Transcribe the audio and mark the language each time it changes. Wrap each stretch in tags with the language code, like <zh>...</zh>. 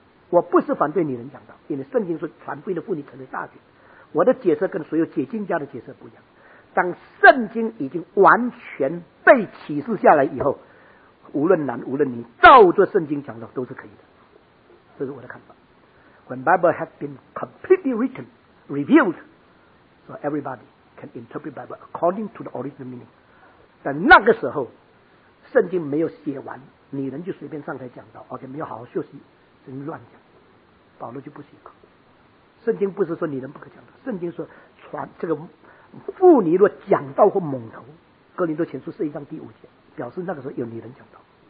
<zh>我不是反对女人讲道，因为圣经说传福音的妇女成为大学，我的解释跟所有解经家的解释不一样。当圣经已经完全被启示下来以后，无论男无论女照着圣经讲道都是可以的，这是我的看法。</zh> <en>When Bible has been completely written, revealed, so everybody can interpret Bible according to the original meaning.</en> <zh>但那个时候圣经没有写完，女人就随便上台讲道，而且没有好好休息，真乱讲，保罗就不写。圣经不是说女人不可讲道，圣经说传这个妇女若讲道或猛头，哥林多前书4:5，表示那个时候有女人讲道。</zh>